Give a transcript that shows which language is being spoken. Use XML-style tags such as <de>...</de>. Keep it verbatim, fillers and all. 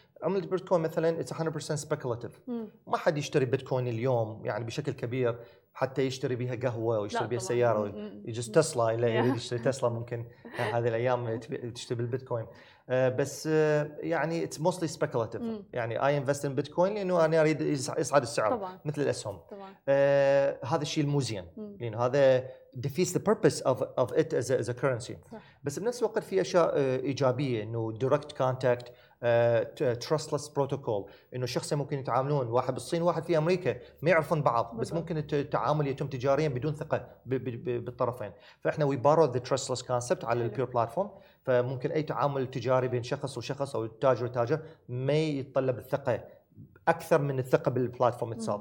<ar>عمله البيتكوين مثلا</ar> <en>it's</en> <ar>مية بالمية</ar> <en>speculative,</en> <ar>ما حد يشتري بيتكوين اليوم يعني بشكل كبير حتى يشتري بها قهوه ويشتري بها سياره، يجوز تسلا لا يريد يشتري تسلا ممكن هذه الايام تشتري بالبيتكوين. آه بس آه يعني</ar> <en>it's mostly speculative,</en> <ar>يعني</ar> <en>I invest in bitcoin</en> <ar>لانه انا اريد يصعد السعر طبعاً. مثل الاسهم. آه هذا الشيء المزين لانه هذا</ar> <en>defeats the purpose of of it as a, as a currency.</en> <ar>صح. بس بنفس الوقت في اشياء آه ايجابيه، انه</ar> <en>direct contact، trustless uh, protocol,</en> <ar>انه شخصين ممكن يتعاملون، واحد بالصين واحد في امريكا ما يعرفون بعض، بس ممكن التعامل يتم تجاريا بدون ثقه ب- ب- بالطرفين. فاحنا</ar> <en>we borrow the trustless concept</en> <ar>على البير</ar> <en>platform,</en> <ar>فممكن اي تعامل تجاري بين شخص وشخص او تاجر وتاجر ما يتطلب الثقه اكثر من الثقه بالبلاتفورم</ar> <en>Itself.</en>